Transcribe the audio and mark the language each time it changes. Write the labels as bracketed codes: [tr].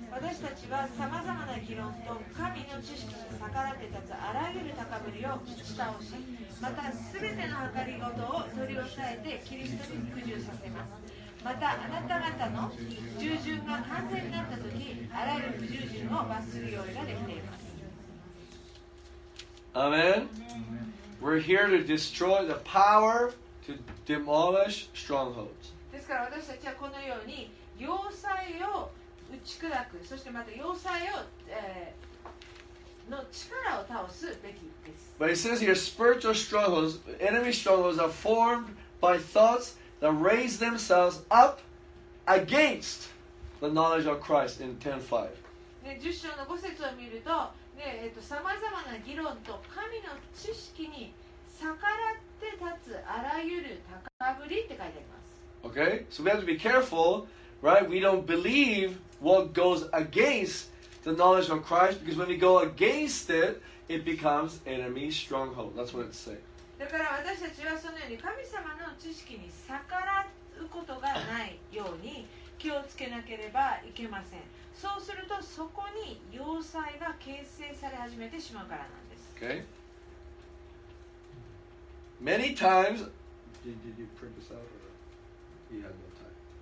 [ja] 私たちはさまざまな議論と神の知識に逆らって立つあらゆる高ぶりを打ち倒し、またすべての計り事を取り押さえてキリストに服従させます。またあなた方の従順が完全になったとき、あらゆる不従順を罰する用意ができています。 [en] Amen. Amen. We're here to destroy the power to demolish strongholds. [ja] ですから私たちはこのように要塞を打ち砕く、そしてまた要塞を、の力を倒すべきです。 [en] But it says here, spiritual strongholds, enemy strongholds are formed by thoughts that raise themselves up against the knowledge of Christ in 10:5. [ja] 10章の5節を見ると、さまざまな議論と神の知識に逆らって立つあらゆる高ぶりって書いてあります。 [en] Okay, so we have to be careful, right? We don't believe what goes against the knowledge of Christ, because when we go against it, it becomes enemy stronghold. That's what it's saying. [ja] だから私たちはそのように神様の知識に逆らうことがないように気をつけなければいけません。そうするとそこに要塞が形成され始めてしまうからなんです。 [en] Okay. Many times. Did you print this out? Or you had no time.